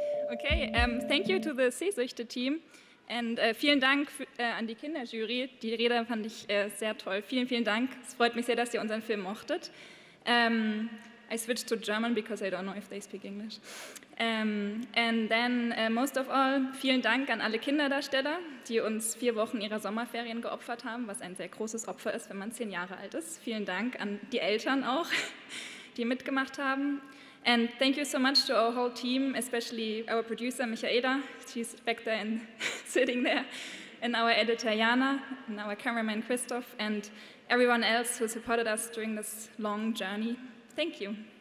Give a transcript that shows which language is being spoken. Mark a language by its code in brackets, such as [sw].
[en] Okay, thank you to the Sehsüchte team. [de] Und vielen Dank an die Kinderjury. Die Rede fand ich sehr toll. Vielen, vielen Dank. Es freut mich sehr, dass ihr unseren Film mochtet. [en] I switched to German because I don't know if they speak English. And then, most of all, [de] vielen Dank an alle Kinderdarsteller, die uns 4 Wochen ihrer Sommerferien geopfert haben, was ein sehr großes Opfer ist, wenn man 10 Jahre alt ist. Vielen Dank an die Eltern auch, die mitgemacht haben. [en] And thank you so much to our whole team, especially our producer, Michaela. She's back there and sitting there. And our editor, Jana, and our cameraman, Christoph, and everyone else who supported us during this long journey. Thank you.